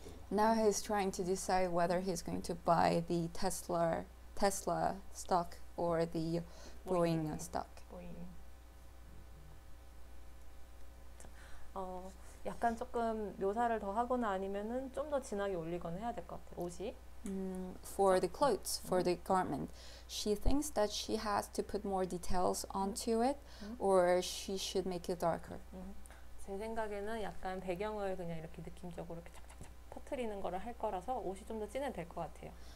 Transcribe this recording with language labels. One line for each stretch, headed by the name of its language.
English: Now he's trying to decide whether he's going to buy the Tesla stock or the Boeing stock. Boeing.
Korean: 약간 조금 묘사를 더 하거나 아니면은 좀 더 진하게 올리거나 해야 될 것 같아. 옷이.
English: For the clothes, for the garment. She thinks that she has to put more details onto it or she should make it darker.
Korean: 제 생각에는 약간 배경을 그냥 이렇게 느낌적으로 이렇게 퍼뜨리는 거를 할 거라서 옷이 좀 더 진해질 것 같아요.